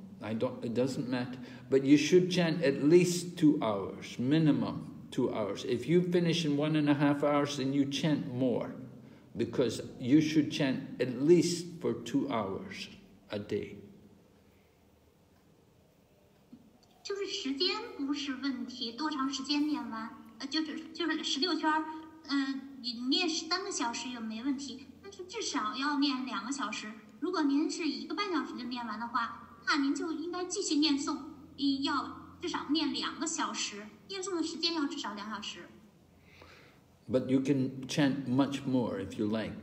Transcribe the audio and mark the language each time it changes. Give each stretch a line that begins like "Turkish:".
English: It doesn't matter. But you should chant at least 2 hours, minimum 2 hours. If you finish in 1.5 hours, then you chant more, because you should chant at least for 2 hours a day.
Chinese: 就是时间不是问题，多长时间念完，就是十六圈，你念3个小时也没问题，但是至少要念2个小时。如果您是一个半小时就念完的话，那您就应该继续念诵，要至少念2个小时，念诵的时间要至少2小时。
English: But you can chant much more if you like.